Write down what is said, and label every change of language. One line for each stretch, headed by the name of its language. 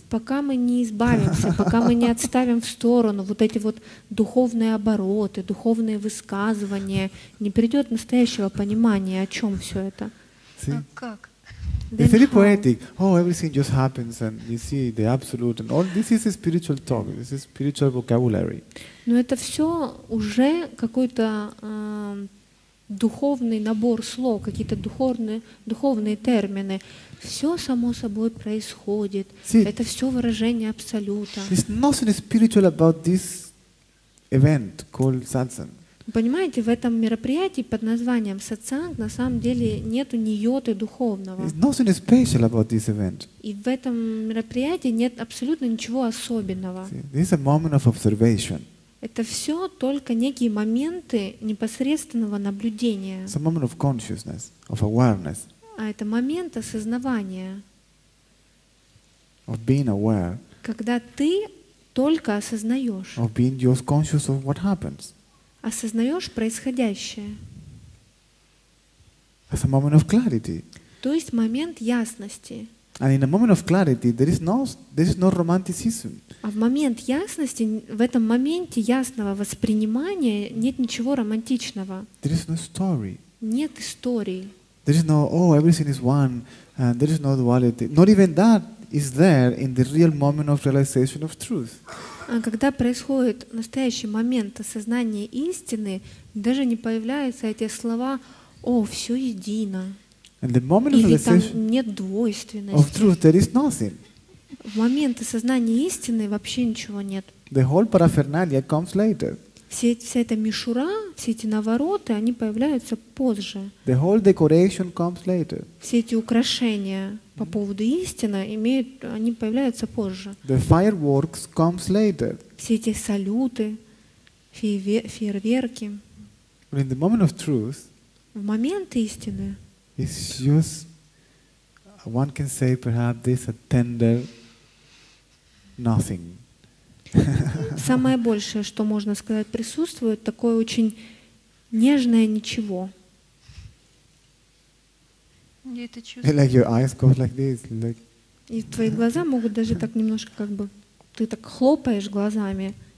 Russian: Пока мы не избавимся, пока мы не отставим в сторону вот эти вот духовные обороты, духовные высказывания, не придет настоящего понимания, о чем все это.
English: See?
Russian: А как?
English: It's really poetic. Oh, everything just happens, and you see the absolute, and all this is a spiritual talk. This is spiritual vocabulary.
Russian: Но это все уже какой-то духовный набор слов, какие-то духовные термины. Все само собой происходит. Это все выражение абсолюта.
English: There's nothing spiritual about this event called satsang.
Russian: Понимаете, в этом мероприятии под названием сатсанг на самом деле нету ни йоты духовного.
English: There's nothing special about this event.
Russian: И в этом мероприятии нет абсолютно ничего особенного.
English: This is a moment of observation.
Russian: Это все только некие моменты непосредственного наблюдения.
English: It's a moment of consciousness, of awareness.
Russian: А это момент осознавания.
English: Of being aware.
Russian: Когда ты только осознаешь.
English: Of being just conscious of what happens.
Russian: Осознаешь происходящее.
English: It's a moment of clarity.
Russian: То есть момент ясности.
English: And in a moment of clarity, there is no romanticism.
Russian: А в момент ясности, в этом моменте ясного воспринимания нет ничего романтичного.
English: There is no story.
Russian: Нет истории.
English: There is no everything is one, and there is no duality. Not even that is there in the real moment of realization of truth.
Russian: А когда происходит настоящий момент осознания истины, даже не появляются эти слова: «О, все едино».
English: And the moment of realization of truth, there is nothing.
Russian: В момент осознания истины вообще ничего нет.
English: The whole paraphernalia comes later.
Russian: Вся эта мишура, все эти навороты, они появляются позже.
English: The whole decoration comes later.
Russian: Все эти украшения по поводу истины, они появляются позже.
English: The fireworks comes later.
Russian: Все эти салюты, фейерверки.
English: But in the moment of truth,
Russian: в момент истины,
English: it's just, one can say, perhaps this a tender nothing.
Russian: Самое большее, что можно сказать, присутствует такое очень нежное ничего. Я это чувствую.
English: Like your eyes go like this. Like.
Russian: И твои глаза могут даже так немножко, как бы, ты так хлопаешь глазами.